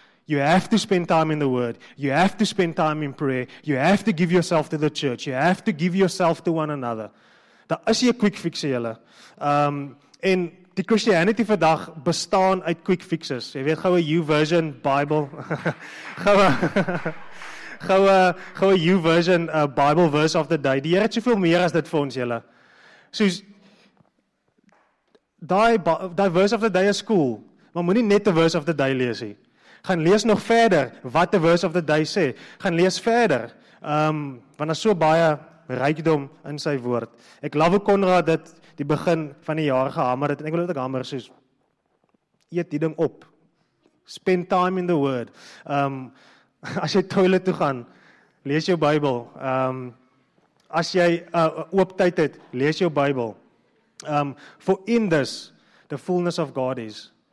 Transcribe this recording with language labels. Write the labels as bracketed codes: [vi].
[en] You have to spend time in the Word. You have to spend time in prayer. You have to give yourself to the church. You have to give yourself to one another. [af] Daar is jy 'n quick fix, jylle. En die Christianity vandag bestaan uit quick fixes. Jy weet, gou 'n U-version Bible. gou 'n U-version Bible verse of the day. Die Heer het soveel meer as dit vir ons, jylle. Soos, die verse of the day is cool. Maar moet nie net die verse of the day lees hier. Gaan lees nog verder wat [en] the verse of the day [af] sê. Gaan lees verder. Want daar is so baie rykdom in sy woord. Ek love Konrad dat die begin van die jaar gehammer het, en ek wil dit ook hammer soos, eet die ding op. [en] Spend time in the word. [af] As jy toilet toe gaan, lees jou Bybel. As jy oop tyd het, lees jou Bybel. [en] For in this, the fullness of God is.